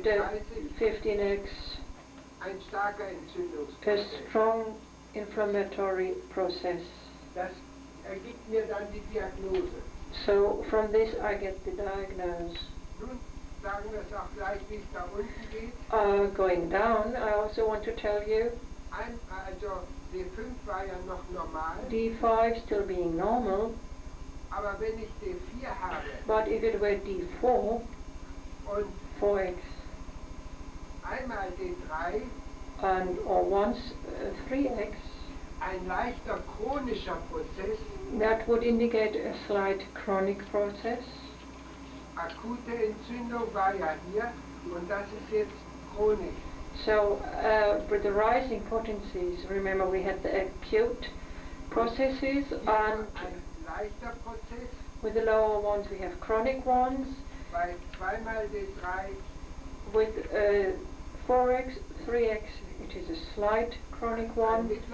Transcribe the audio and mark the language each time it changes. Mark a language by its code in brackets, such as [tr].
[de] D30, 15x, ein starker Entzündungsprozess. [en] A strong inflammatory process. [de] Das ergibt mir dann die Diagnose. [en] So from this I get the diagnose. [de] Nun sagen wir es auch gleich, wie es da unten geht. [en] Going down, I also want to tell you. [de] Also D5 war ja noch normal. [en] D5 still being normal. [de] Aber wenn ich D4 habe. [en] But if it were D4. 4x. [de] Einmal D3. [en] And or once 3x. [de] Ein leichter chronischer Prozess. [en] That would indicate a slight chronic process. [de] Akute Entzündung war ja hier und das ist jetzt chronisch. [en] So with the rising potencies, remember we had the acute processes and [de] ein leichter Prozess. [en] With the lower ones we have chronic ones. [de] Bei zweimal D3 [en] with 4x, 3X, it is a slight chronic one.